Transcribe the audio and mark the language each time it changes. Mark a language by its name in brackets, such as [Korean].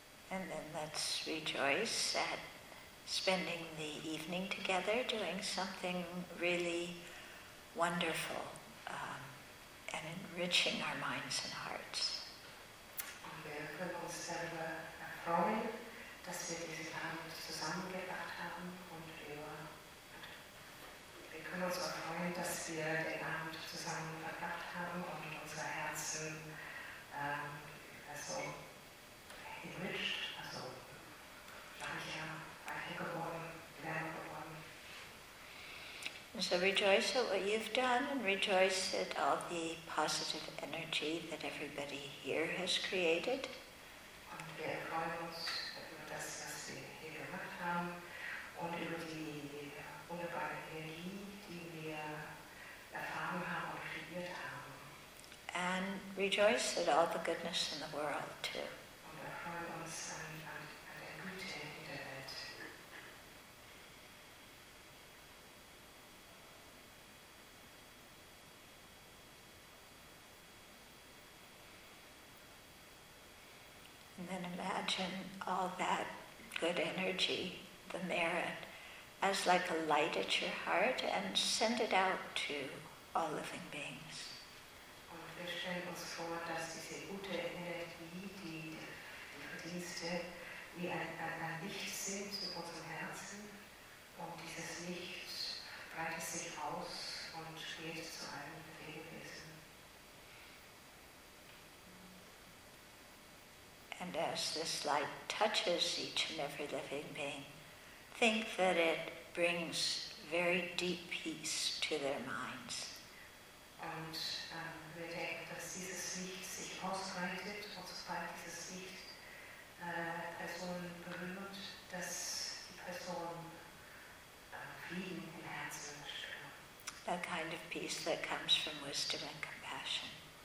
[English] And then let's rejoice at spending the evening together doing something really wonderful and enriching our minds and hearts. [German] Und wir können uns selber erfreuen, dass wir diesen Abend zusammengebracht haben und wir können uns erfreuen, dass wir den Abend zusammen verbracht haben und unsere Herzen so [English] enriched, [German] also reicher, reicher geworden, lärmer geworden. [English] So rejoice at what you've done and rejoice at all the positive energy that everybody here has created. [German] Und wir freuen uns über das, was wir hier gemacht haben und über die wunderbare Energie, die wir erfahren haben und kreiert haben. [English] And rejoice at all the goodness in the world too. [German] Und wir freuen uns an der Güte. [English] And then imagine all that good energy, the merit, as like a light at your heart and send it out to all living beings. [German] Und wir stellen uns vor, dass diese gute Energie, die Verdienste, wie ein Licht sind in unserem Herzen. Und dieses Licht breitet sich aus und geht zu allen Lebewesen. [English] And as this light touches each and every living being, think that it brings very deep peace to their minds. [German] Und wir denken, dass dieses Licht sich ausbreitet, und sobald dieses Licht Personen berührt, dass die Personen Frieden im Herzen spüren. [English] That kind of peace that comes from wisdom and compassion.